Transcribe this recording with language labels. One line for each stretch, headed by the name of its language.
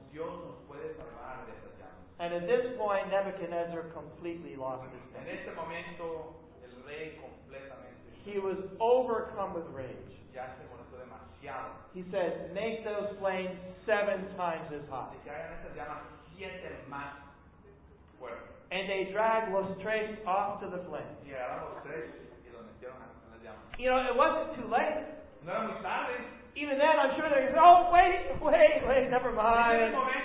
Spanish: Dios nos puede salvar de esas llamas.
English: And at this point, Nebuchadnezzar completely lost his temper.
Spanish: En este momento, el rey completamente.
English: He was overcome with rage.
Spanish: Ya se molestó demasiado. demasiado.
English: He said, make those flames seven times as hot.
Spanish: Y que hagan esas llamas siete más fuerte.
English: And they dragged Los Tres off to the flames.
Spanish: Y agarraron los tres y los metieron a las llamas.
English: You know, it wasn't too late.
Spanish: No era muy tarde.
English: Even then, I'm sure they're going, oh, wait, never mind.